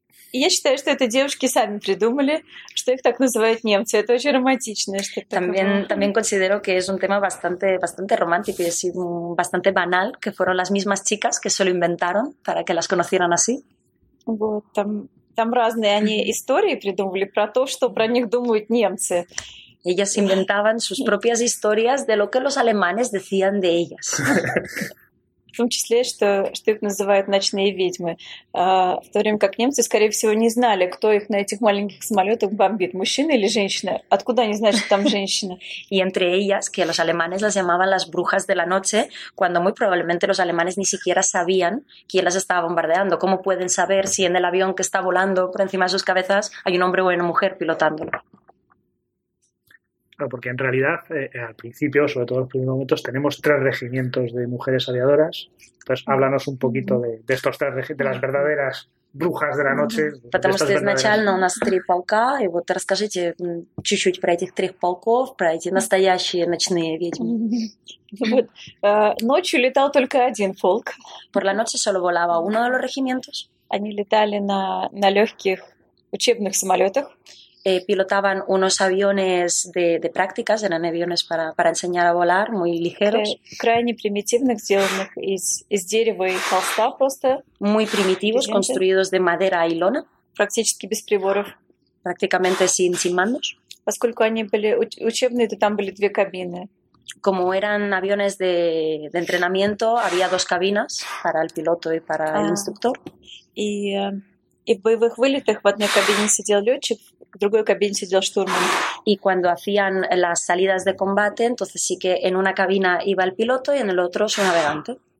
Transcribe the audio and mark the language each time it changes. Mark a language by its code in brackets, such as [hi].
[ru] Я считаю, что это девушки сами придумали, что их так называют немцы. Это очень романтично. [es] También considero que es un tema bastante, bastante romántico y bastante banal, que fueron las mismas chicas que se lo inventaron para que las conocieran así. [ru] Вот, там разные они истории придумали про то, что про них думают немцы. [es] Ellas inventaban sus propias historias de lo que los alemanes decían de ellas. [ru] В том числе, что их называют ночные ведьмы. В то время как немцы, скорее всего, не знали, кто их на этих маленьких самолетах бомбит, мужчина или женщина. Откуда они знают, что там женщина? [es] Y entre ellas, que los alemanes las llamaban las brujas de la noche, cuando muy probablemente los alemanes ni siquiera sabían quién las estaba bombardeando. ¿Cómo pueden saber si en el avión que está volando por encima de sus cabezas hay un hombre o una mujer pilotándolo? Porque en realidad, al principio, sobre todo en los primeros momentos, tenemos tres regimientos de mujeres aviadoras. Entonces, háblanos un poquito de estos tres, de las verdaderas brujas de la noche. [ru] Потому что изначально у нас три полка, и вот расскажите чуть-чуть про этих трех полков, про эти настоящие ночные ведьмы. Ночью летал только один полк. [es] Por la noche solo volaba uno de los regimientos. [ru] Они летали на легких учебных самолетах. [es] Pilotaban unos aviones de prácticas, eran aviones para enseñar a volar, muy ligeros. [ru] Крайне примитивных, сделанных из дерева и холста просто. [es] Muy primitivos, construidos de madera y lona. [ru] Практически без приборов. [es] Prácticamente sin mandos. [ru] Поскольку они были учебные, то там были две кабины. [es] Como eran aviones de entrenamiento, había dos cabinas para el piloto y para el instructor. [ru] И в боевых вылетах в одной кабине сидел летчик. В другой кабине сидел штурман. [es] Y cuando hacían las salidas de combate, entonces sí que en una cabina iba el piloto y en el otro su navegante.